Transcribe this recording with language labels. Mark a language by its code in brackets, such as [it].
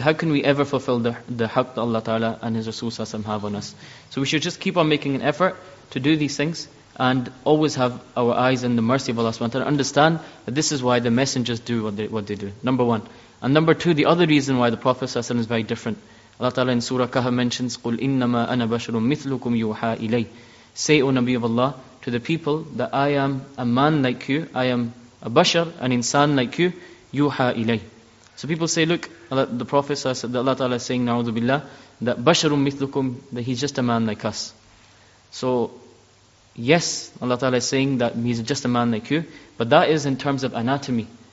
[en] How can we ever fulfill the haqq that Allah Ta'ala and His Rasul Sallallahu Alaihi Wasallam have on us? So we should just keep on making an effort to do these things. And always have our eyes in the mercy of Allah subhanahu wa ta'ala. Understand that this is why the messengers do what they do. Number one. And number two, the other reason why the Prophet sallallahu alaihi wasallam is very different. Allah ta'ala in Surah Kahf mentions, [ar] قُلْ إِنَّمَا أَنَا بَشَرٌ مِثْلُكُمْ يُوحَى إِلَيْ. [en] Say, O Nabi of Allah, to the people that I am a man like you. I am a bashar, an insan like you. [ar] يُوحَى إِلَيْ. [en] So people say, look, the Prophet sallallahu alaihi wasallam, Allah ta'ala is saying, [ar] نَعُوذُ بِاللَّهِ, [en] that [ar] بَشَرٌ مِثْلُكُمْ, [en] that he's just a man like us. So yes, Allah Ta'ala is saying that he's just a man like you, but that is in terms of anatomy.